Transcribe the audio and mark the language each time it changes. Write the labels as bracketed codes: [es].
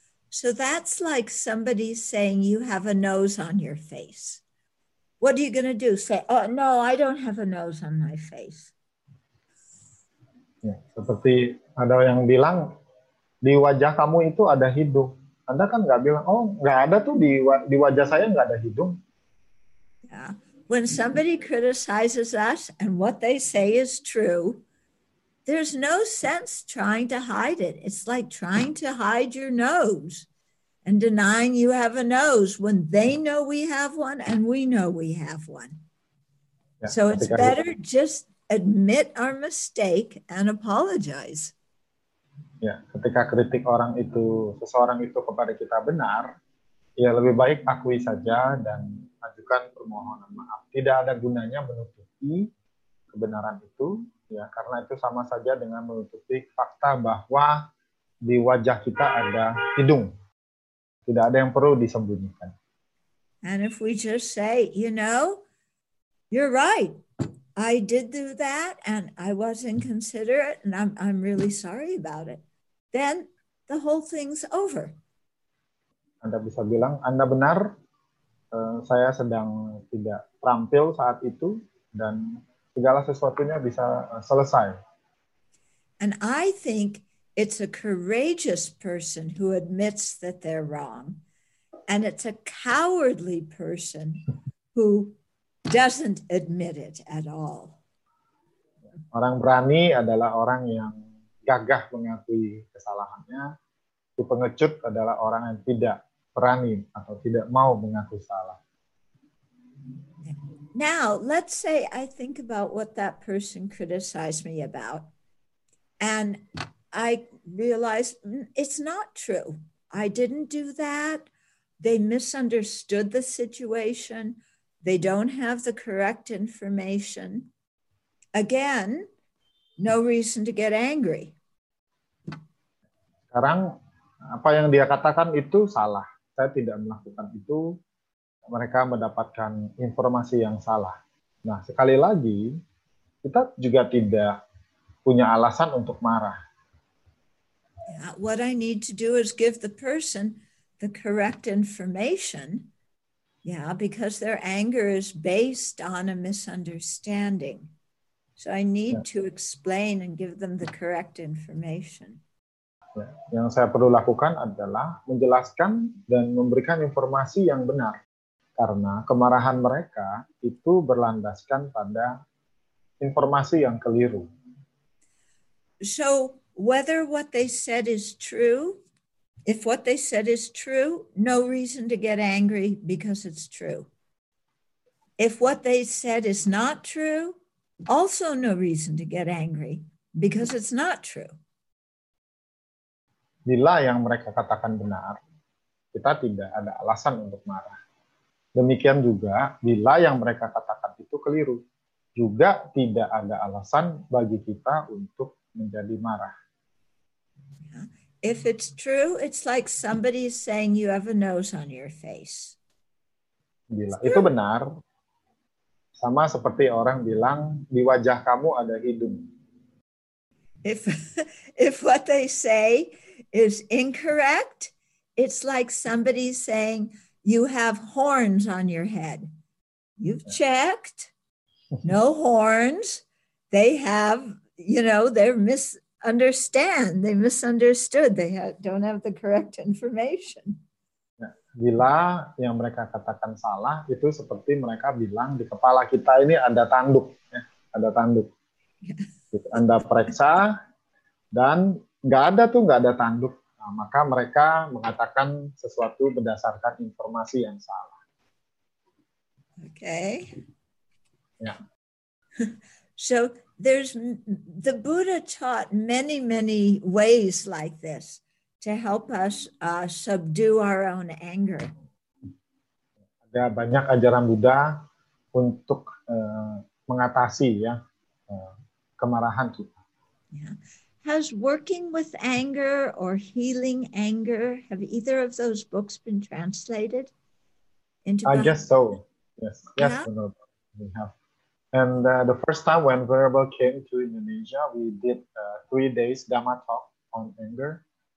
[en] So that's like somebody saying you have a nose on your face. What are you going to do? Say, oh, no, I don't have a nose on my face. [id] Ya, seperti ada yang bilang, di wajah kamu itu ada hidung. Anda kan nggak bilang, oh, nggak ada tuh di wajah saya nggak ada hidung. [en] Yeah. When somebody criticizes us and what they say is true, there's no sense trying to hide it. It's like trying to hide your nose and denying you have a nose when they know we have one and we know we have one. Yeah, so it's better just admit our mistake and apologize. [id] Yeah, ketika kritik orang itu, seseorang itu kepada kita benar, ya lebih baik akui saja dan ajukan permohonan maaf. Tidak ada gunanya menutupi kebenaran itu. Ya, karena itu sama saja dengan menutupi fakta bahwa di wajah kita ada hidung. Tidak ada yang perlu disembunyikan. [en] And if we just say, you know, you're right. I did do that and I was inconsiderate and I'm really sorry about it. Then the whole thing's over. [id] Anda bisa bilang, Anda benar. Saya sedang tidak terampil saat itu dan segala sesuatunya bisa selesai. [en] And I think it's a courageous person who admits that they're wrong. And it's a cowardly person who doesn't admit it at all. [id] Orang berani adalah orang yang gagah mengakui kesalahannya. Si pengecut adalah orang yang tidak berani atau tidak mau mengaku salah. [en] Now, let's say I think about what that person criticized me about, and I realize it's not true. I didn't do that. They misunderstood the situation. They don't have the correct information. Again, no reason to get angry. [id] Sekarang, apa yang dia katakan itu salah. Saya tidak melakukan itu. Mereka mendapatkan informasi yang salah. Nah, sekali lagi, kita juga tidak punya alasan untuk marah. [en] What I need to do is give the person the correct information. Yeah, because their anger is based on a misunderstanding. So I need to explain and give them the correct information. [id] Yang saya perlu lakukan adalah menjelaskan dan memberikan informasi yang benar. Karena kemarahan mereka itu berlandaskan pada informasi yang keliru. [en] So whether what they said is true, if what they said is true, no reason to get angry because it's true. If what they said is not true, also no reason to get angry because it's not true. [id] Bila yang mereka katakan benar, kita tidak ada alasan untuk marah. Demikian juga, bila yang mereka katakan itu keliru, juga tidak ada alasan bagi kita untuk menjadi marah. [en] If it's true, it's like somebody saying you have a nose on your face. [id] Bila itu benar, sama seperti orang bilang di wajah kamu ada hidung. [en] If what they say is incorrect, it's like somebody saying you have horns on your head. You've checked. No horns. They have, you know, they're misunderstand. They misunderstood. They don't have the correct information. [id] Bila yang mereka katakan salah, itu seperti mereka bilang di kepala kita ini ada tanduk. Ya, ada tanduk. Anda periksa, dan nggak ada tanduk. Nah, maka mereka mengatakan sesuatu berdasarkan informasi yang salah. [en] Okay. [id] Ya. [en] So the Buddha taught many, many ways like this to help us subdue our own anger. [id] Ada banyak ajaran Buddha untuk mengatasi ya kemarahan kita. [en] Yeah. Has Working with Anger or Healing Anger, have either of those books been translated into Buddhism? I guess so. Yes, yes, yeah. We have. And the first time when Venerable came to Indonesia, we did 3 days Dhamma talk on anger.